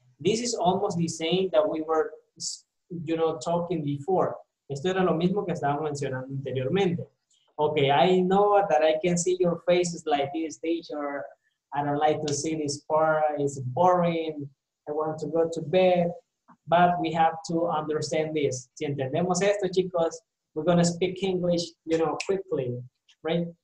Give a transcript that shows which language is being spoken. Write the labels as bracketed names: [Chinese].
[English] This is almost the same that we were, you know, talking before. [Spanish] Esto era lo mismo que estábamos mencionando anteriormente. [English] Okay, I know that I can see your faces like this, teacher. I don't like to see this part. It's boring. I want to go to bed. But we have to understand this. [Spanish] Si entendemos esto, chicos, [English] we're going to speak English, you know, quickly, right?